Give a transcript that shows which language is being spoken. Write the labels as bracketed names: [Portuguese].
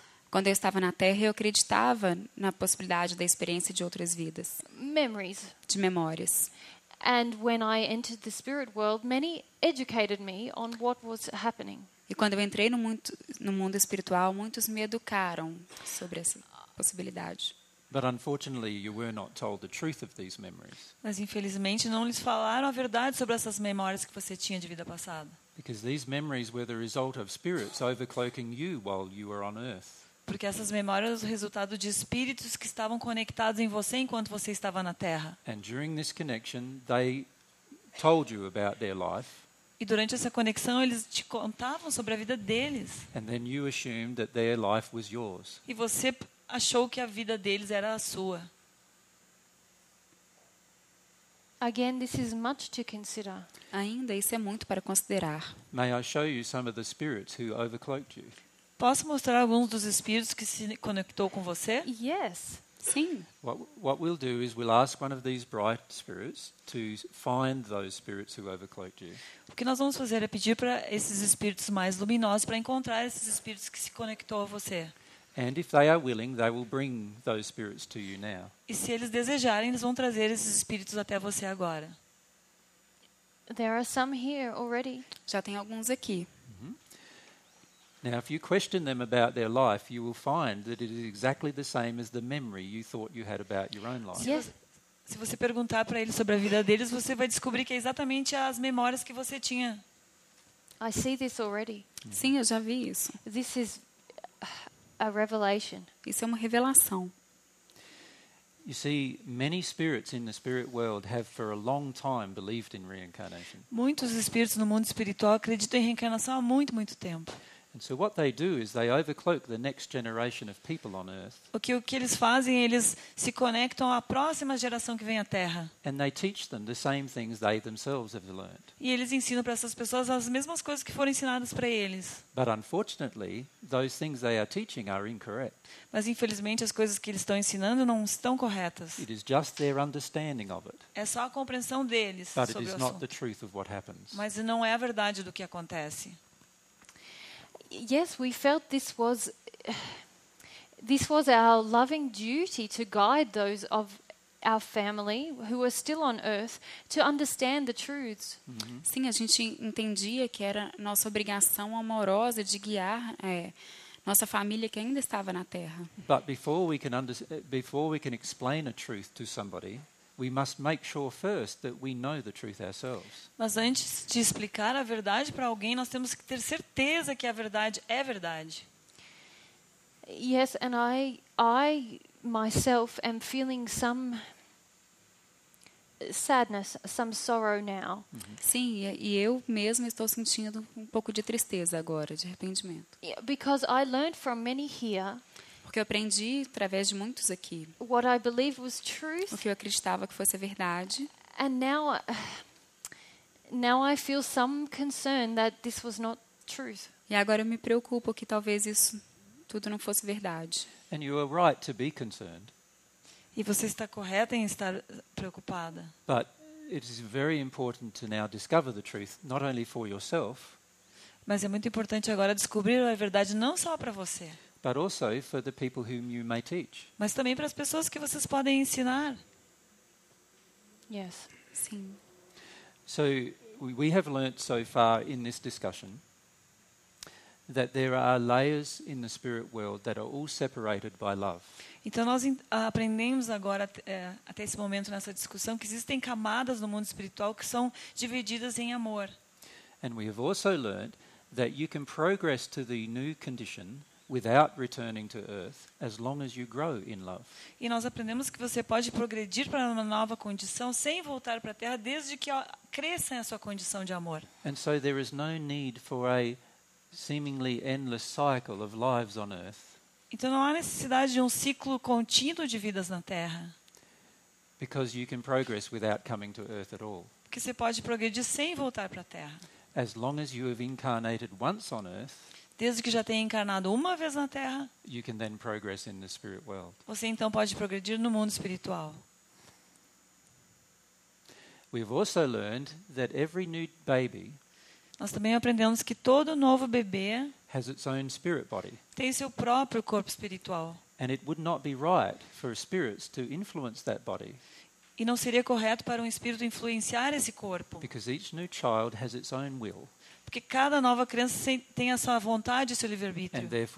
[Portuguese] Quando eu estava na Terra, eu acreditava na possibilidade da experiência de outras vidas. [English] Memories. [Portuguese] De memórias. [English] And when I entered the spirit world, many educated me on what was happening. [Portuguese] E quando eu entrei no mundo espiritual, muitos me educaram sobre essa possibilidade. [English] But unfortunately, you were not told the truth of these memories. [Portuguese] Mas infelizmente não lhes falaram a verdade sobre essas memórias que você tinha de vida passada. [English] Because these memories were the result of spirits overcloaking you while you were on earth. [Portuguese] Porque essas memórias são o resultado de espíritos que estavam conectados em você enquanto você estava na Terra. [English] And during this connection, they told you about their life. [Portuguese] E durante essa conexão, eles te contavam sobre a vida deles. [English] And then you assumed that their life was yours. [Portuguese] E você achou que a vida deles era a sua. [English] Again, this is much to consider. [Portuguese] Ainda isso é muito para considerar. [English] May I show you some of the spirits who overcloaked you? [Portuguese] Posso mostrar alguns dos espíritos que se conectou com você? [English] Yes. [Portuguese] Sim. [English] What we'll do is we'll ask one of these bright spirits to find those spirits who overcloaked you. [Portuguese] O que nós vamos fazer é pedir para esses espíritos mais luminosos para encontrar esses espíritos que se conectou a você. [English] And if they are willing, they will bring those spirits to you now. [Portuguese] E se eles desejarem, eles vão trazer esses espíritos até você agora. [English] There are some here already. [Portuguese] Já tem alguns aqui. [English] Now, if you question them about their life, you will find that it is exactly the same as the memory you thought you had about your own life. Yes. [Portuguese] Se você perguntar para eles sobre a vida deles, você vai descobrir que é exatamente as memórias que você tinha. [English] I see this already. [Portuguese] Sim, eu já vi isso. [English] This is a revelation. [Portuguese] Isso é uma revelação. [English] You see, many spirits in the spirit world have for a long time believed in reincarnation. [Portuguese] Muitos espíritos no mundo espiritual acreditam em reencarnação há muito, muito tempo. [English] And so what they do is they overcloak the next generation of people on earth. [Portuguese] O que eles fazem, eles se conectam à próxima geração que vem à Terra. [English] And they teach them the same things they themselves have learned. [Portuguese] E eles ensinam para essas pessoas as mesmas coisas que foram ensinadas para eles. [English] But unfortunately, those things they are teaching are incorrect. [Portuguese] Mas infelizmente as coisas que eles estão ensinando não estão corretas. [English] It is just their understanding of it. [Portuguese] É só a compreensão deles [English] But [Portuguese] sobre [English] it is [Portuguese] o [English] not [Portuguese] assunto. [English] The truth of what happens. [Portuguese] Mas não é a verdade do que acontece. [English] Yes, we felt this was our loving duty to guide those of our family who are still on earth to understand the truths. [Portuguese] Sim, a gente entendia que era nossa obrigação amorosa de guiar nossa família que ainda estava na Terra. [English] But before we can explain a truth to somebody, we must make sure first that we know the truth ourselves. [Portuguese] Mas antes de explicar a verdade para alguém, nós temos que ter certeza que a verdade é verdade. [English] Yes, and I myself am feeling some sadness, some sorrow now. Mm-hmm. [Portuguese] Sim, e eu mesma estou sentindo um pouco de tristeza agora, de arrependimento. [English] Yeah, because I learned from many here. [Portuguese] Porque eu aprendi através de muitos aqui. [English] What I believe was truth. [Portuguese] O que eu acreditava que fosse a verdade. [English] And now I feel some concern that this was not truth. [Portuguese] E agora eu me preocupo que talvez isso tudo não fosse verdade. [English] And you are right to be concerned. [Portuguese] E você está correta em estar preocupada. [English] But it is very important to now discover the truth, not only for yourself. [Portuguese] Mas é muito importante agora descobrir a verdade não só para você. [English] But also for the people whom you may teach. [Portuguese] Mas também para as pessoas que vocês podem ensinar. [English] Yes. [Portuguese] Sim. [English] So we have learned so far in this discussion that there are layers in the spirit world that are all separated by love. [Portuguese] Então nós aprendemos agora até esse momento nessa discussão que existem camadas no mundo espiritual que são divididas em amor. [English] And we have also learned that you can progress to the new condition without returning to earth as long as you grow in love. [Portuguese] E nós aprendemos que você pode progredir para uma nova condição sem voltar para a terra desde que cresça a sua condição de amor. [English] And so there is no need for a seemingly endless cycle of lives on earth. [Portuguese] Então não há necessidade de um ciclo contínuo de vidas na terra. [English] Because you can progress without coming to earth at all. [Portuguese] Porque você pode progredir sem voltar para a terra. [English] As long as you have incarnated once on earth. [Portuguese] Desde que já tenha encarnado uma vez na Terra, [English] you can then progress in the spirit world. [Portuguese] Você então pode progredir no mundo espiritual. [English] We've also learned that every new baby. [Portuguese] Nós também aprendemos que todo novo bebê [English] has its own spirit body. [Portuguese] Tem seu próprio corpo espiritual. [English] And it would not be right for spirits to influence that body. [Portuguese] E não seria correto para um espírito influenciar esse corpo. [English] Because each new child has its own will. [Portuguese] Porque cada nova criança tem a sua vontade e seu livre-arbítrio.